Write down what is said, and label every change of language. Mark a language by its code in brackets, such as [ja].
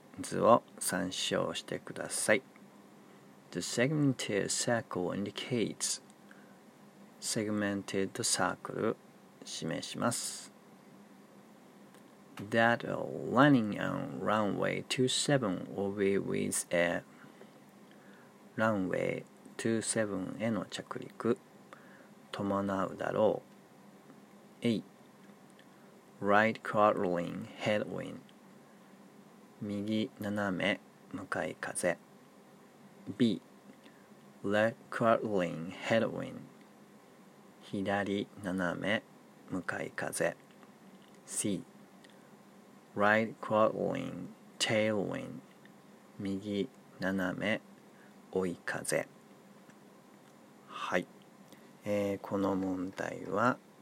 [ja] 図を参照してください。 [en] The segmented circle indicates. [ja] Segmented circle 示します。 [en] That landing on runway 27 will be with a [ja] runway 27への着陸伴うだろう。 [en] A. Right quadrant headwind. [ja] 右斜め向かい風 B. [en] Left quadrant headwind [ja] 左斜め向かい風 [en] C. Right quadrant tailwind [ja] 右斜め追い風はい、この問題は、